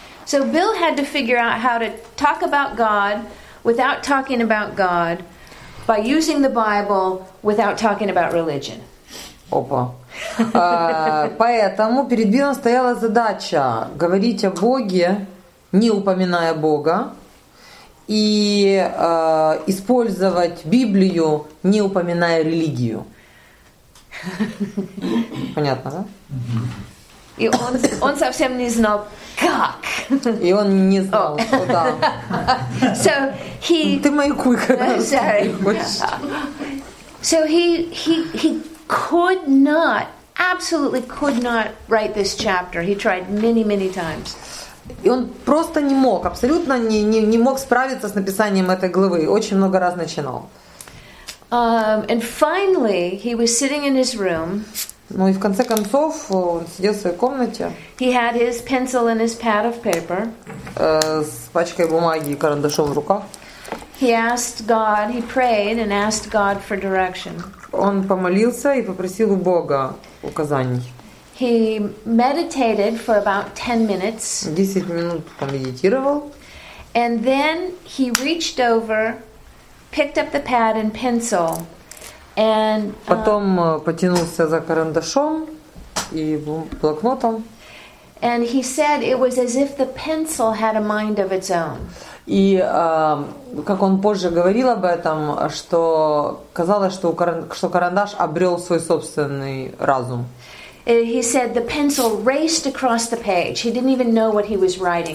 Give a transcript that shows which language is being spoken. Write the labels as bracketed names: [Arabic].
[English] So Bill had to figure out how to talk about God without talking about God, by using the Bible without talking about religion. Опа. [Russian] Поэтому перед Биллом стояла задача говорить о Боге, не упоминая Бога, и использовать Библию, не упоминая религию. Понятно, да? И он совсем не знал, как. И он не знал, куда. [English] So he. [Russian] Ты маякуй, когда хочешь. [English] So he could not. Absolutely could not write this chapter. He tried many, many times. [Russian] И он просто не мог, абсолютно не мог справиться с написанием этой главы. Очень много раз начинал. [English] And finally, he was sitting in his room. [Russian] Ну и в конце концов он сидел в своей комнате. [English] He had his pencil and his pad of paper. [Russian] С пачкой бумаги и карандашом в руках. [English] He asked God. He prayed and asked God for direction. [Russian] Он помолился и попросил у Бога указаний. [English] He meditated for about 10 minutes. [Russian] 10 минут помедитировал. [English] And then he reached over, picked up the pad and pencil, and [Russian] потом потянулся за карандашом и блокнотом. [English] And he said it was as if the pencil had a mind of its own. [Russian] И как он позже говорил об этом, что казалось, что карандаш обрел свой собственный разум. [English] He said the pencil raced across the page. He didn't even know what he was writing.